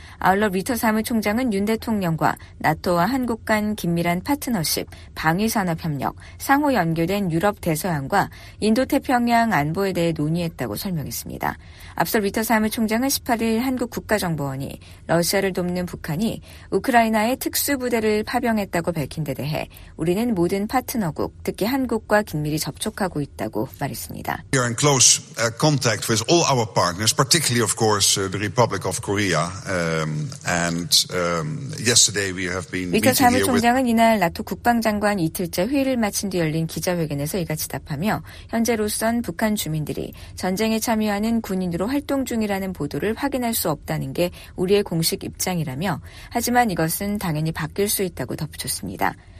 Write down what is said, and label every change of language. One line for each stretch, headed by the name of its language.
Korean: 아울러 리터 사무총장은 윤 대통령과 나토와 한국 간 긴밀한 파트너십, 방위산업협력, 상호 연결된 유럽 대서양과 인도태평양 안보에 대해 논의했다고 설명했습니다. 앞서 리터 사무총장은 18일 한국 국가정보원이 러시아를 돕는 북한이 우크라이나에 특수부대를 파병했다고 밝힌 데 대해 우리는 모든 파트너국, 특히 한국과 긴밀히 접촉하고 있다고 말했습니다.
English: We are in close contact with all our partners, particularly of course the Republic of Korea. Yesterday we have been.
Korean: 위터 사무총장은 이날 나토 국방장관 이틀째 회의를 마친 뒤 열린 기자회견에서 이같이 답하며 현재로선 북한 주민들이 전쟁에 참여하는 군인으로 활동 중이라는 보도를 확인할 수 없다는 게 우리의 공식 입장이라며 하지만 이것은 당연히 바뀔 수 있다고 덧붙였습니다.